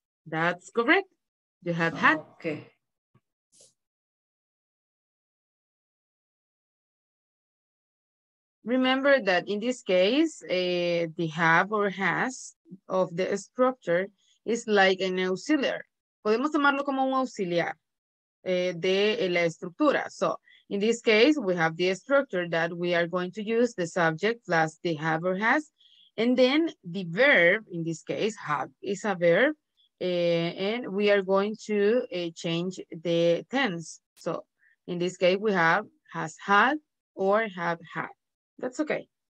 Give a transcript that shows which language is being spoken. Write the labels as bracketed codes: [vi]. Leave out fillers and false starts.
[en] That's correct. You have had. Okay. Remember that in this case, the have or has of the structure is like an auxiliar. [es] Podemos tomarlo como un auxiliar de la estructura. [en] So in this case, we have the structure that we are going to use, the subject plus the have or has. And then the verb, in this case, have is a verb. And we are going to change the tense. So in this case, we have has had or have had. That's okay.